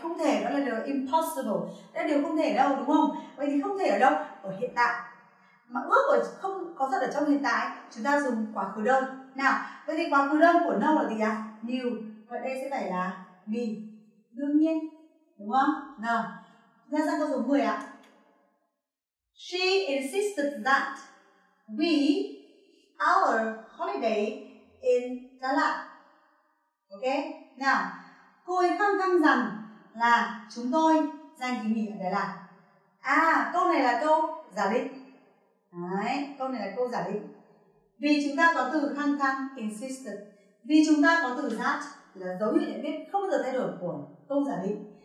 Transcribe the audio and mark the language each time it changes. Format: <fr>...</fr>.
<vi>Không thể, đó là điều impossible. Đó là điều không thể đâu, đúng không? Vậy thì không thể ở đâu? Ở hiện tại. Mà ước ở không có thật ở trong hiện tại, chúng ta dùng quá khứ đơn. Nào, vậy thì quá khứ đơn của no là gì ạ? New. Và đây sẽ phải là be. Đương nhiên, đúng không? Nào, chúng ta sang câu số 10 ạ.</vi> <en>She insisted that we our holiday in Đà Lạt.</en> <vi>Ok, nào, cô ấy khăng khăng rằng là chúng tôi dành kỳ nghỉ ở Đà Lạt. À, câu này là câu giả định. Đấy, câu này là câu giả định. Vì chúng ta có từ khăng khăng, insisted. Vì chúng ta có từ that, là dấu hiệu nhận biết không bao giờ thay đổi của câu giả định.</vi>